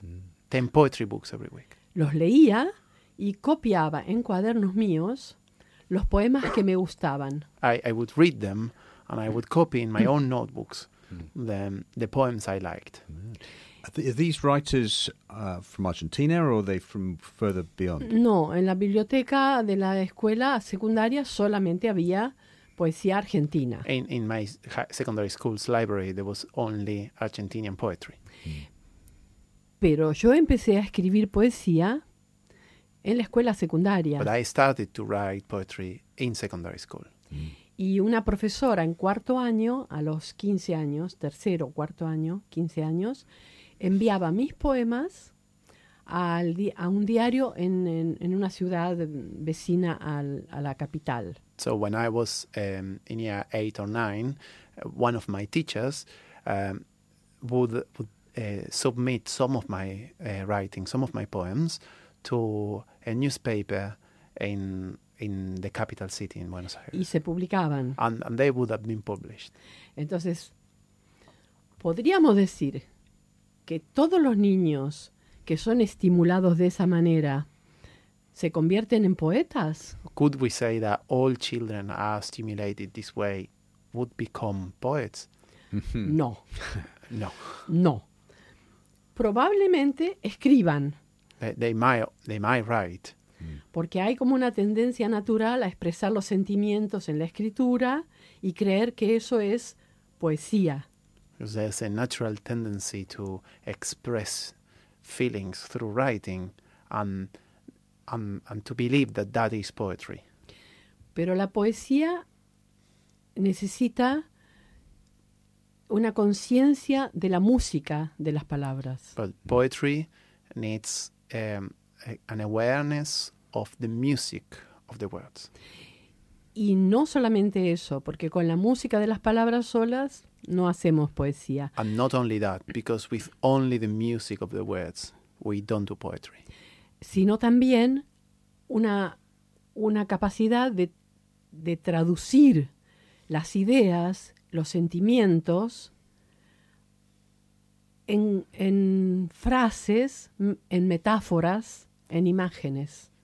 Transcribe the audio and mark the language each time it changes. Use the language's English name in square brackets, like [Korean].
[English] Mm. 10 poetry books every week. [Spanish] Los leía y copiaba en cuadernos míos los poemas que me gustaban. [English] I would read them and I would copy in my own notebooks the poems I liked. Mm. Are these writers from Argentina or are they from further beyond? [Spanish] No, en la biblioteca de la escuela secundaria solamente había poesía argentina. [English] In my secondary school's library there was only Argentinian poetry. [Spanish] Pero yo empecé a escribir poesía en la escuela secundaria. [English] But I started to write poetry in secondary school. [Spanish] Y una profesora en cuarto año, a los 15 años, tercero, cuarto año, 15 años, enviaba mis poemas a un diario en una ciudad vecina a la capital. [English] So when I was in year 8 or 9, one of my teachers would submit some of my writing, some of my poems, to a newspaper in the capital city in Buenos Aires. [Spanish] Y se publicaban. [English] And they would have been published. [Spanish] Entonces, podríamos decir que todos los niños que son estimulados de esa manera se convierten en poetas. [English] Could we say that all children are stimulated this way would become poets? [Spanish] No. No. No. Probablemente escriban. [English] They might write. [Spanish] Porque hay como una tendencia natural a expresar los sentimientos en la escritura y creer que eso es poesía. [English] There's a natural tendency to express feelings through writing and to believe that that is poetry. [Spanish] Pero la poesía necesita una conciencia de la música de las palabras. [English] But poetry needs an awareness of the music of the words. [Spanish] Y no solamente eso, porque con la música de las palabras solas no hacemos poesía. [English] And not only that, because with only the music of the words, we don't do poetry. [Spanish] Sino también una capacidad de traducir las ideas, los sentimientos en frases, en metáforas, en imágenes.